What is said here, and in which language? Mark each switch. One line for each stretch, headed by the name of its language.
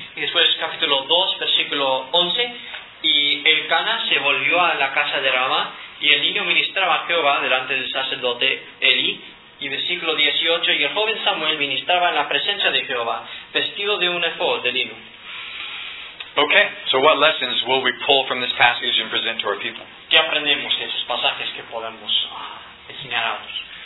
Spanish: Y después capítulo 2, versículo 11, y Elcana se volvió a la casa de Rama, y el niño ministraba a Jehová delante del sacerdote Elí, y versículo 18, y el joven Samuel ministraba en la presencia de Jehová, vestido de un efod de lino.
English: Okay, so what lessons will we pull from this passage and present to our people?
Spanish: ¿Qué aprendemos de esos pasajes que podemos enseñar a otros?